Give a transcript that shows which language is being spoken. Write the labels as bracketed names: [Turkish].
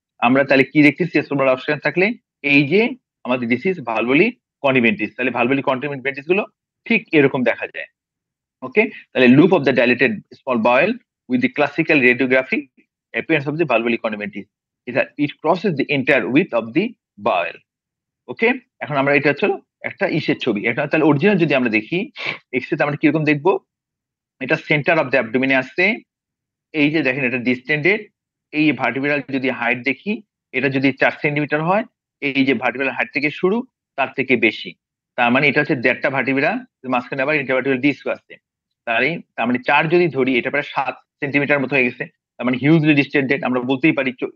[Bangla] আমরা তাহলে কি দেখতেছি, স্মল অবস্ট্রাকশন থাকলে এই যে আমাদের [English] this is [Bangla] ভালভুলি কনভেন্টিস, তাহলে ভালভুলি কনভেন্টিস গুলো ঠিক এরকম দেখা যায়। [English] Okay, the loop of the dilated small bowel with the classical radiography appearance of the valvular conventis is that it crosses the entire width of the bowel. [Bangla] Okay, এখন আমরা এটা চলো একটা ইসের ছবি, এটা তাহলে অরিজিনাল যদি আমরা দেখি এক্সরে আমরা কিরকম দেখবো, এটা সেন্টার অফ দ্য অ্যাবডোমিনে আসছে, এই যে দেখেন এটা ডিস্টেন্ডেড, এই ভার্টিব্রাল যদি হাইট দেখি এটা যদি 4 সেন্টিমিটার হয়, এই যে ভার্টিব্রাল হাইট থেকে শুরু তার থেকে বেশি, তার মানে এটা হচ্ছে দেড়টা ভার্টিব্রা, মাঝখানে আবার ইন্টারভার্টিব্রাল ডিস্ক আসছে, তার মানে 4 যদি ধরি এটা প্রায় 7 সেন্টিমিটার মতো হয়ে গেছে, তার মানে হিউজলি ডিস্টেন্ডেড আমরা বলতেই পারি।